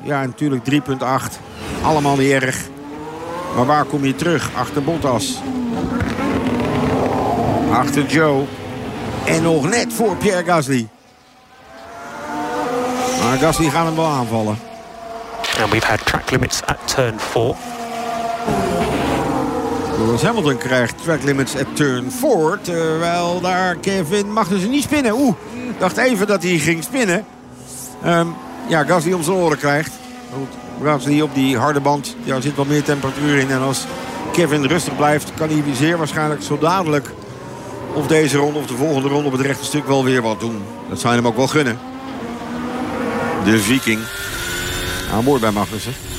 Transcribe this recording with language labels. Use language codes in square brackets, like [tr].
[nl] Ja, natuurlijk 3.8. Allemaal niet erg. Maar waar kom je terug? Achter Bottas. Achter Joe. En nog net voor Pierre Gasly. Maar Gasly gaat hem wel aanvallen. [en] And we've had track limits at turn 4. [nl] Lewis Hamilton krijgt [en] track limits at turn 4. [nl] Terwijl daar Kevin Magnussen niet spinnen. Oeh, dacht even dat hij ging spinnen. Gasly om zijn oren krijgt. Goed, Gasly op die harde band. Ja, er zit wat meer temperatuur in. En als Kevin rustig blijft, kan hij zeer waarschijnlijk zo dadelijk of deze ronde of de volgende ronde op het rechte stuk wel weer wat doen. Dat zou je hem ook wel gunnen. De Viking. Aan boord bij Magnussen.